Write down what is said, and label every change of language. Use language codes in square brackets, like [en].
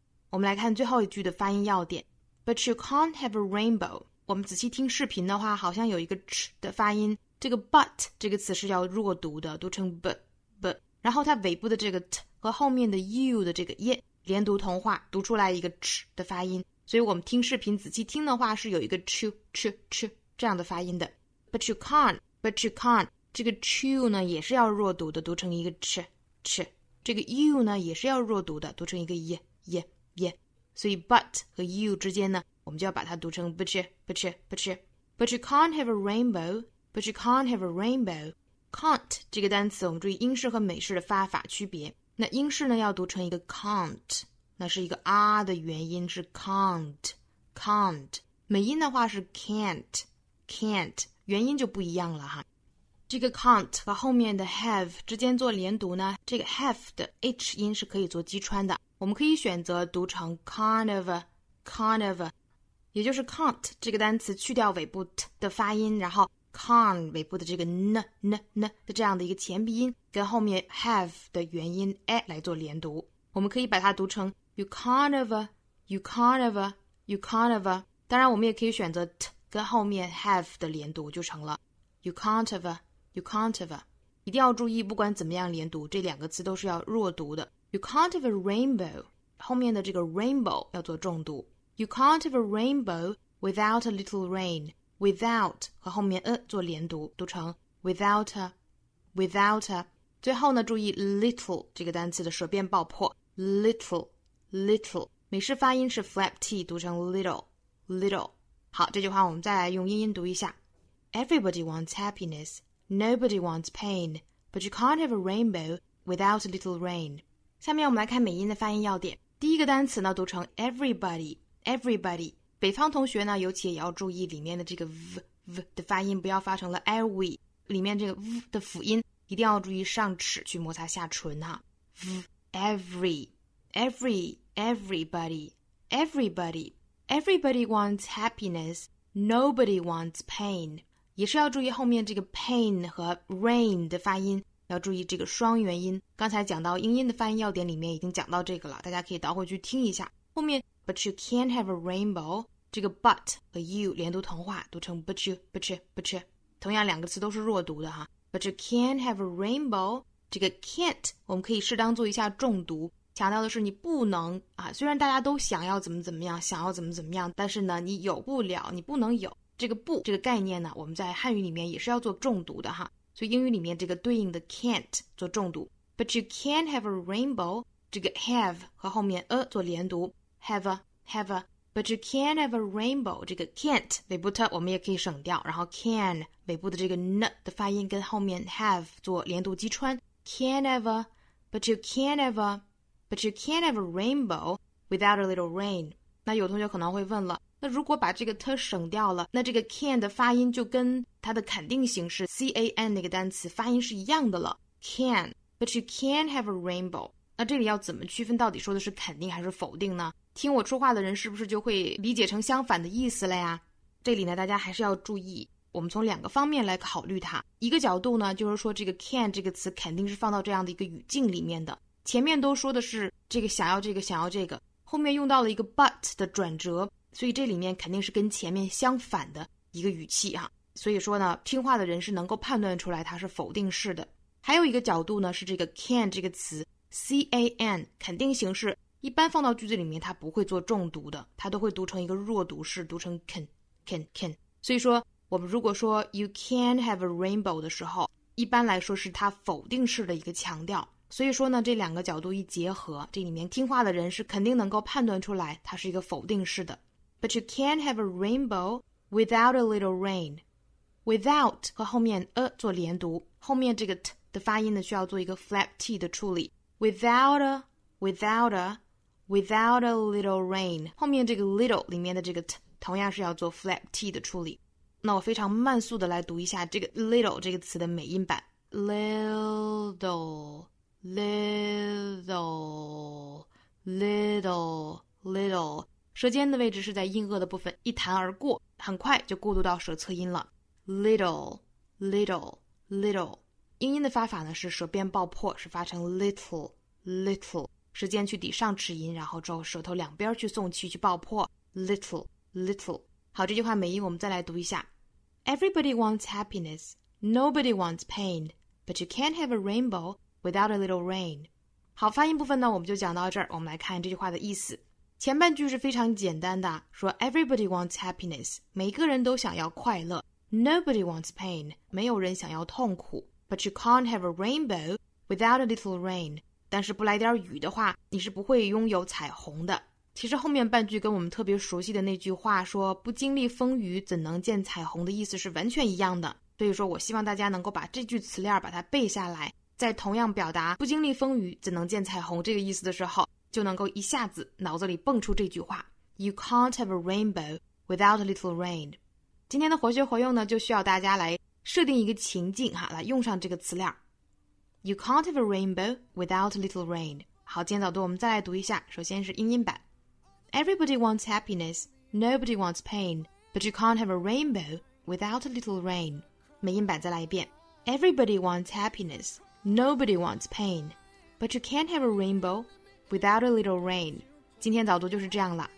[zh] 我们来看最后一句的发音要点 [en] but you can't have a rainbow， [zh] 我们仔细听视频的话好像有一个 ch 的发音，这个 but 这个词是要弱读的，读成 but， 然后它尾部的这个 t 和后面的 u 的这个 ye 连读同化读出来一个 ch 的发音，所以我们听视频仔细听的话是有一个 ch 这样的发音的。 [en] But you can't [zh] 这个 chew 呢也是要弱读的，读成一个 ch ch。这个 u 呢也是要弱读的，读成一个 y y y。所以 but 和 u 之间呢，我们就要把它读成 butch butch butch。 [en] But you can't have a rainbow. But you can't have a rainbow. [zh] Can't 这个单词，我们注意英式和美式的发法区别。那英式呢要读成一个 can't， 那是一个 r 的元音是 can't can't。美音的话是 can't can't， 元音就不一样了哈。这个 can't 和后面的 have 之间做连读呢，这个 have 的 h 音是可以做击穿的，我们可以选择读成 [en] kind of kind of， [zh] 也就是 can't 这个单词去掉尾部 t 的发音，然后 can 尾部的这个 n n n 的这样的一个前鼻音跟后面 have 的元音 a 来做连读，我们可以把它读成 [en] you kind of you kind of you kind of。 [zh] 当然我们也可以选择 t 跟后面 have 的连读就成了 [en] You can't have, you can't have. [zh] 一定要注意，不管怎么样连读，这两个词都是要弱读的。 [en] You can't have a rainbow. [zh] 后面的这个 rainbow 要做重读。 [en] You can't have a rainbow without a little rain. [zh] Without 和后面做连读，读成 without, without. 最后呢，注意 little 这个单词的舌边爆破。 [en] Little, little. [zh] 美式发音是 flap t， 读成 little, little. 好，这句话我们再来用英音读一下。 [en] Everybody wants happiness. Nobody wants pain. But you can't have a rainbow without a little rain. [zh] 下面我们来看美音的发音要点。第一个单词呢读成 everybody, everybody. 北方同学呢尤其也要注意里面的这个 v, v 的发音，不要发成了 every， 里面这个 v 的辅音一定要注意上齿去摩擦下唇哈。 [en] v, every, every, everybody, everybody. Everybody wants happiness. Nobody wants pain. [zh] 也是要注意后面这个 pain 和 rain 的发音，要注意这个双元音。刚才讲到英音的发音要点里面已经讲到这个了，大家可以倒回去听一下。后面 [en] but you can't have a rainbow， [zh] 这个 but 和 you 连读同化，读成 [en] but you but you but you， [zh] 同样两个词都是弱读的哈。 [en] But you can't have a rainbow， [zh] 这个 can't 我们可以适当做一下重读，强调的是你不能啊。虽然大家都想要怎么怎么样，想要怎么怎么样，但是呢，你有不了，你不能有。这个不这个概念呢，我们在汉语里面也是要做重读的哈，所以英语里面这个对应的 can't 做重读。 [en] But you can't have a rainbow， [zh] 这个 have 和后面做连读 [en] have a have a。 But you can't have a rainbow， [zh] 这个 can't 尾部 t 我们也可以省掉，然后 can 尾部的这个 n 的发音跟后面 have 做连读击穿 [en] can't have a。 But you can't have a， But you can't have a rainbow without a little rain。 [zh] 那有同学可能会问了，那如果把这个 t 省掉了，那这个 can 的发音就跟它的肯定形式 can 那个单词发音是一样的了。 [en] can， but you can't have a rainbow。 [zh] 那这里要怎么区分到底说的是肯定还是否定呢？听我说话的人是不是就会理解成相反的意思了呀？这里呢大家还是要注意，我们从两个方面来考虑它。一个角度呢就是说这个 can 这个词肯定是放到这样的一个语境里面的，前面都说的是这个想要这个想要这个，后面用到了一个 but 的转折，所以这里面肯定是跟前面相反的一个语气啊。所以说呢，听话的人是能够判断出来它是否定式的。还有一个角度呢，是这个 can 这个词 can 肯定形式一般放到句子里面它不会做重读的，它都会读成一个弱读式，读成 can can can。所以说我们如果说 [en] you can have a rainbow [zh] 的时候，一般来说是它否定式的一个强调。所以说呢，这两个角度一结合，这里面听话的人是肯定能够判断出来它是一个否定式的。 [en] But you can't have a rainbow without a little rain. [zh] Without 和后面做连读，后面这个 t 的发音呢需要做一个 flap t 的处理。 [en] Without a, without a, without a little rain. [zh] 后面这个 little 里面的这个 t 同样是要做 flap t 的处理。那我非常慢速的来读一下这个 little 这个词的美音版。 [en] Little, little, little, little. [zh] 舌尖的位置是在硬腭的部分一弹而过，很快就过渡到舌侧音了。 [en] Little, little, little. [zh] 英音的发法呢是舌边爆破，是发成 little, little. 舌尖去抵上齿音，然后之后舌头两边去送气去爆破。 [en] Little, little. [zh] 好，这句话美音我们再来读一下。 [en] Everybody wants happiness. Nobody wants pain. But you can't have a rainbow without a little rain. [zh] 好，发音部分呢我们就讲到这儿，我们来看这句话的意思。前半句是非常简单的，说 [en] Everybody wants happiness， [zh] 每个人都想要快乐。 [en] Nobody wants pain. [zh] 没有人想要痛苦。 [en] But you can't have a rainbow without a little rain. [zh] 但是不来点雨的话，你是不会拥有彩虹的。其实后面半句跟我们特别熟悉的那句话说不经历风雨怎能见彩虹的意思是完全一样的。所以说我希望大家能够把这句词链把它背下来，在同样表达不经历风雨怎能见彩虹这个意思的时候，就能够一下子脑子里蹦出这句话。 [en] You can't have a rainbow without a little rain. [zh] 今天的活学活用呢，就需要大家来设定一个情境哈，来用上这个词链。 [en] You can't have a rainbow without a little rain. [zh] 好，今天早读我们再来读一下，首先是英音版。 [en] Everybody wants happiness, nobody wants pain, but you can't have a rainbow without a little rain. [zh] 美音版再来一遍。 [en] Everybody wants happiness, nobody wants pain, but you can't have a rainbow without a little rain. [zh] 今天早读就是这样了。